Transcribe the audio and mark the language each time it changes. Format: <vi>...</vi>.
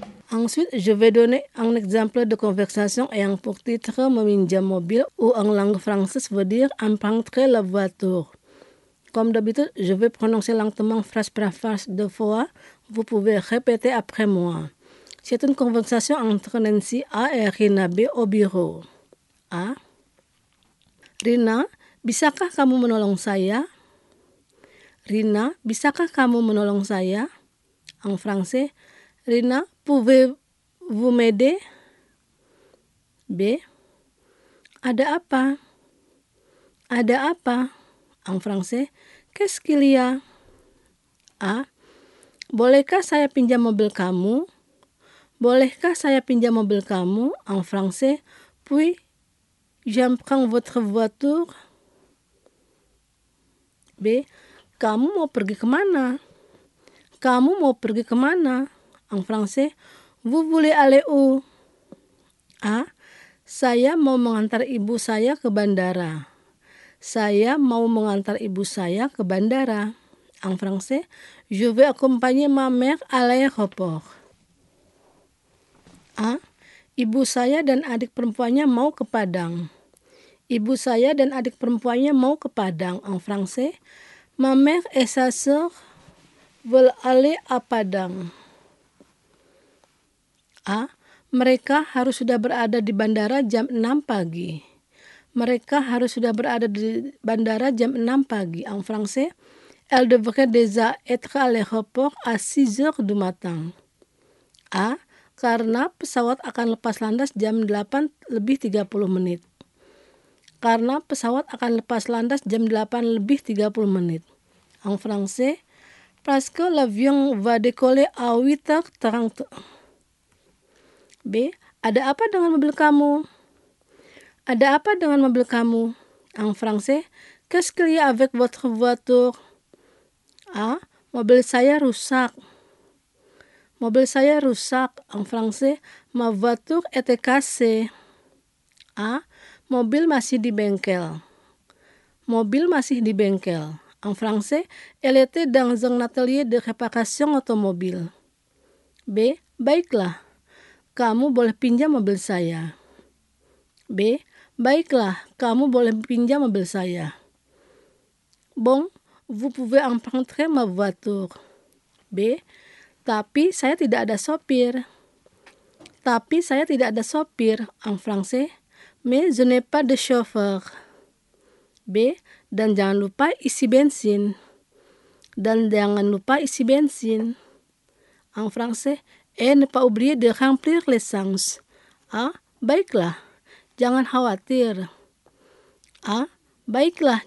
<fr>Ensuite, je vais donner un exemple de conversation ayant pour titre «</fr> <id>Meminjam mobil</id> <fr>» ou en langue française veut dire « emprunter la voiture ». Comme d'habitude, je vais prononcer lentement phrase par phrase deux fois. Vous pouvez répéter après moi. C'est une conversation entre Nancy A et Rina B au bureau. A.</fr> <id>Rina, bisakah kamu menolong saya? Rina, bisakah kamu menolong saya?</id> <fr>En français, Rina, pouvez-vous m'aider? B.</fr> <id>Ada apa? Ada apa?</id> <fr>En français, qu'est-ce qu'il y a? A.</fr> <id>Bolehkah saya pinjam mobil kamu? Bolehkah saya pinjam mobil kamu?</id> <fr>En français, puis j'emprunte votre voiture?</fr> <id>B. Kamu mau pergi kemana? Kamu mau pergi kemana?</id> <fr>En français, vous voulez aller où? A.</fr> <id>Saya mau mengantar ibu saya ke bandara. Saya mau mengantar ibu saya ke bandara.</id> <fr>En français, je vais accompagner ma mère à l'aéroport. A.</fr> <id>Ibu saya dan adik perempuannya mau ke Padang. Ibu saya dan adik perempuannya mau ke Padang.</id> <fr>En français, ma mère et sa sœur veulent aller à Padang.</fr> <id>A. Mereka harus sudah berada di bandara jam 6 pagi. Mereka harus sudah berada di bandara jam 6 pagi.</id> <fr>En français, elle devrait déjà être à l'aéroport à 6 heures du matin. A.</fr> <id>Karena pesawat akan lepas landas jam 8 lebih 30 menit. Karena pesawat akan lepas landas jam 8 lebih 30 menit.</id> <fr>En français, parce que l'avion va décoller à 8h30. B.</fr> <id>Ada apa dengan mobil kamu? Ada apa dengan mobil kamu?</id> <fr>En français, qu'est-ce qu'il y a avec votre voiture? A.</fr> <id>Mobil saya rusak. Mobil saya rusak.</id> <fr>En français, ma voiture était cassée.</fr> <id>A. Mobil masih di bengkel. Mobil masih di bengkel.</id> <fr>En français, elle était dans un atelier de réparation automobile.</fr> <id>B. Baiklah. Kamu boleh pinjam mobil saya. B. Baiklah. Kamu boleh pinjam mobil saya.</id> <fr>Bon, vous pouvez emprunter ma voiture. B.</fr> <id>Tapi saya tidak ada sopir. Tapi saya tidak ada sopir.</id> <fr>En français, mais je n'ai pas de chauffeur. B.</fr> <id>Dan jangan lupa isi bensin. Dan jangan lupa isi bensin.</id> <fr>En français, et ne pas oublier de remplir l'essence.</fr> <id>A. Baiklah. Jangan khawatir. A. Baiklah.</id>